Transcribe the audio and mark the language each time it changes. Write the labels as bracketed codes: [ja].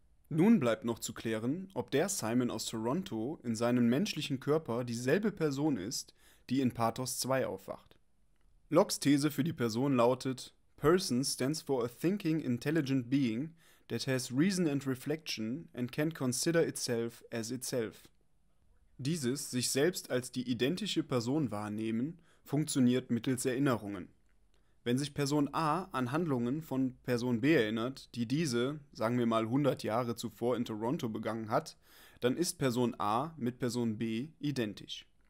[de] Nun bleibt noch zu klären, ob der Simon aus Toronto in seinem menschlichen Körper dieselbe Person ist, die in Pathos 2 aufwacht. Locks These für die Person lautet: [en] Person stands for a thinking intelligent being that has reason and reflection and can consider itself as itself. [de] Dieses sich selbst als die identische Person wahrnehmen funktioniert mittels Erinnerungen. Wenn sich Person A an Handlungen von Person B erinnert, die diese, sagen wir mal 100 Jahre zuvor in Toronto begangen hat, dann ist Person A mit Person B identisch.